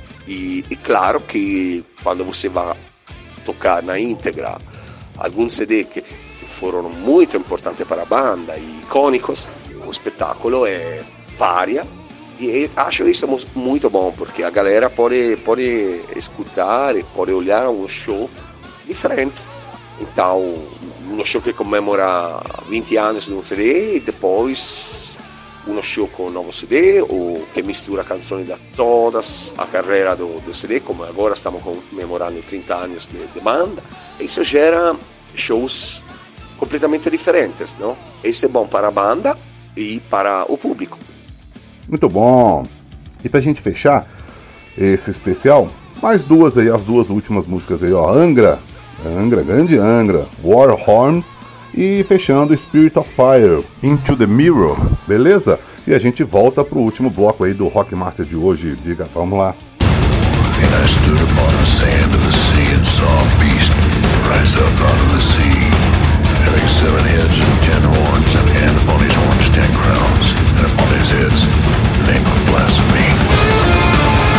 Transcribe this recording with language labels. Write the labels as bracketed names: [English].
[Portuguese] E claro que quando você vai tocar na íntegra alguns CD que foram muito importantes para a banda e icônicos, o espetáculo é varia e acho isso muito bom, porque a galera pode escutar e pode olhar um show diferente. [Italian] Então, uno show che commemora 20 anni di un CD e poi uno show con un nuovo CD o che mistura canzoni da tutta la carriera del CD, come ora stiamo commemorando 30 anni di banda. E questo genera shows completamente differenti, no? E questo è buono per la banda e per il pubblico. Molto buono. [Portuguese] E per gente fechar esse especial, mais duas aí, as duas últimas músicas aí, ó, Angra, grande Angra, War Horns e fechando Spirit of Fire, Into the Mirror, beleza? E a gente volta pro último bloco aí do Rock Master de hoje, diga, vamos lá. [English] And I stood upon the sand of the sea and saw a beast rise up out of the sea, having seven heads and ten horns, and upon his horns ten crowns, and upon his heads the name of blasphemy.